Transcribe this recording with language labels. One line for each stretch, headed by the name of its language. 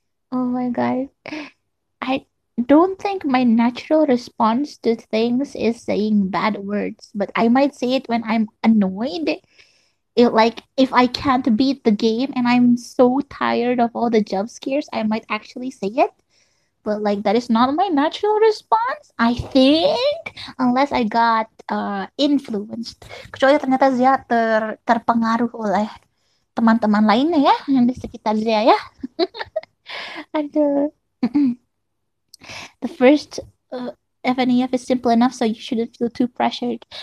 English: Oh my god. I don't think my natural response to things is saying bad words, but I might say it when I'm annoyed. It like if I can't beat the game and I'm so tired of all the jump scares, I might actually say it. But like that is not my natural response, I think, unless I got influenced.
Indonesian: Kecuali ternyata Zia terpengaruh oleh teman-teman lainnya ya yang di sekitar Zia ya.
English: The first FNEF is simple enough, so you shouldn't feel too pressured.